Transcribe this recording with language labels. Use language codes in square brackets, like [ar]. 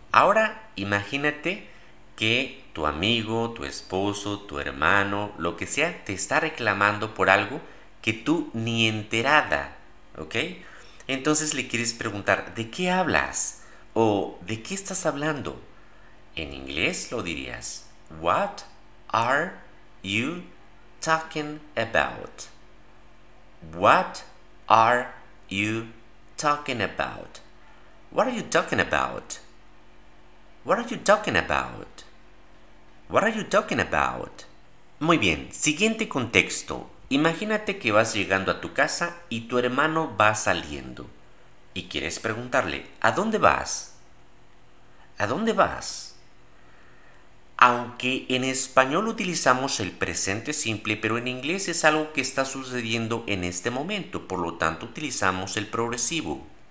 [es] Ahora imagínate que tu amigo, tu esposo, tu hermano, lo que sea, te está reclamando por algo que tú ni enterada, ¿ok? Entonces le quieres preguntar, ¿de qué hablas? ¿O de qué estás hablando? En inglés lo dirías, [en] What are you talking about? What are you talking about? What are you talking about? What are you talking about? What are you talking about? [es] Muy bien, siguiente contexto. Imagínate que vas llegando a tu casa y tu hermano va saliendo y quieres preguntarle, ¿a dónde vas? ¿A dónde vas? Aunque en español utilizamos el presente simple, pero en inglés es algo que está sucediendo en este momento, por lo tanto utilizamos el progresivo.